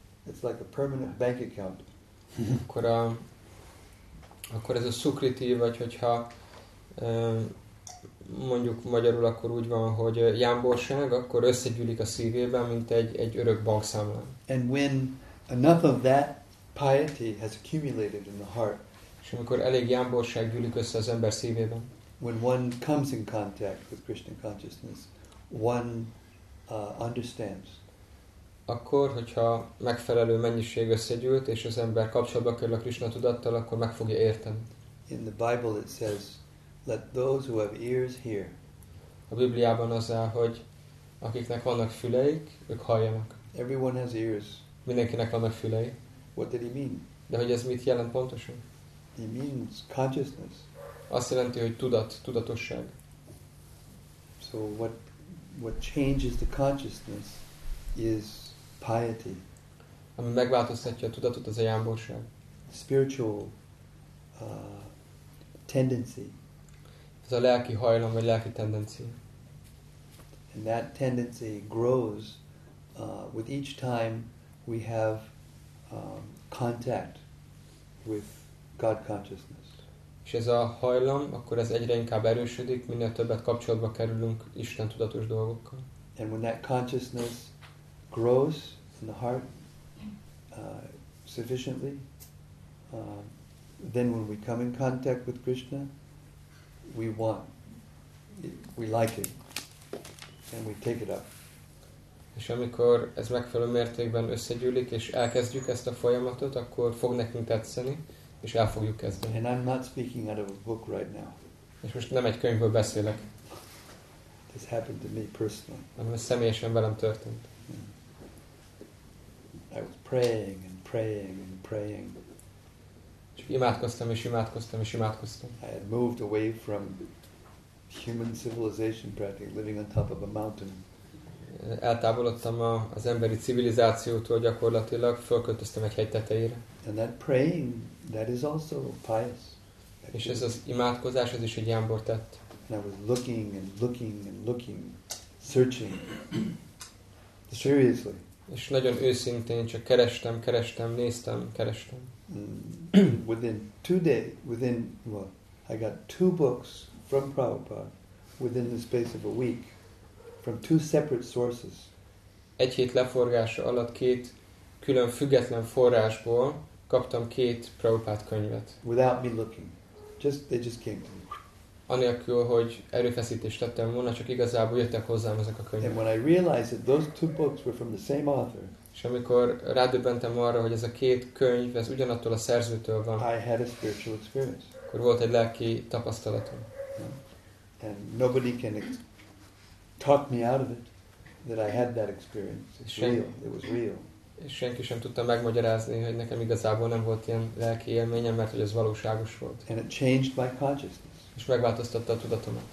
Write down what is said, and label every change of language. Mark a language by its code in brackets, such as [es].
[en] It's like a permanent bank account. [hu] akkor ez a sukriti, vagy hogyha mondjuk magyarul akkor úgy van, hogy jámborság, akkor összegyűlik a szívében, mint egy örök bankszámlán. [en] And when enough of that piety has accumulated in the heart, [hu] és amikor elég jámborság gyűlik össze az ember szívében, [en] when one comes in contact with Krishna consciousness, one understands. [hu] Akkor, hogyha megfelelő mennyiség összegyűlt, és az ember kapcsolatba kerül a Krishna tudattal, akkor meg fogja érteni. [en] In the Bible it says, let those who have ears hear. [hu] A Bibliában az áll, hogy akiknek vannak füleik, ők halljanak. [en] Everyone has ears. [hu] Mindenkinek vannak fülei. [en] What did he mean? [hu] De hogy ez mit jelent pontosan? [en] He means consciousness. [hu] Azt jelenti, hogy tudat, tudatosság. [en] So what changes the consciousness is piety. [hu] Ami megváltoztatja a tudatot, az a jámborság. [en] Spiritual tendency. [hu] Ez a lelki hajlam, vagy lelki tendencia. [en] And that tendency grows with each time we have contact with God consciousness. [hu] És ez a hajlam, akkor ez egyre inkább erősödik, minél többet kapcsolatba kerülünk Isten tudatos dolgokkal. [en] And when that consciousness grows in the heart sufficiently, then when we come in contact with Krishna, we want, we like it, and we take it up. [hu] És amikor ez megfelelő mértékben összegyűlik, és elkezdjük ezt a folyamatot, akkor fog nekünk tetszeni, és el fogjuk kezdeni. [en] And I'm not speaking out of a book right now. [hu] És most nem egy könyvből beszélek. [en] This happened to me personally. [hu] Hanem ez személyesen velem történt. [en] I was praying and praying and praying. [hu] Imádkoztam és imádkoztam és imádkoztam. [en] I had moved away from human civilization, practically living on top of a mountain. [hu] Eltávolodtam az emberi civilizációtól, gyakorlatilag fölköltöztem egy hegy tetejére. [en] And that praying, that is also pious. [hu] És ez az imádkozás, ez is egy jámbor tett. [en] And I was looking and looking and looking, searching. Seriously. [hu] És nagyon őszintén csak kerestem, kerestem, néztem, kerestem. [en] I got two books from Prabhupada within the space of a week from two separate sources. [hu] Egy hét leforgása alatt két külön független forrásból kaptam két Prabhupada könyvet. [en] Without me looking. They just came to me. [hu] Anélkül, hogy erőfeszítést tettem volna, csak igazából jöttek hozzám ezek a könyvek. [en] And when I realized that those two books were from the same author, [hu] és amikor rádöbbentem arra, hogy ez a két könyv, ez ugyanattól a szerzőtől van, [en] I had a spiritual experience. [hu] Akkor volt egy lelki tapasztalatom. [en] And nobody can talk me out of it, that I had that experience. It's real. It was real. [hu] És senki sem tudta megmagyarázni, hogy nekem igazából nem volt ilyen lelki élményem, mert hogy ez valóságos volt. [en] And it changed my consciousness. [hu] És megváltoztatta a tudatomat.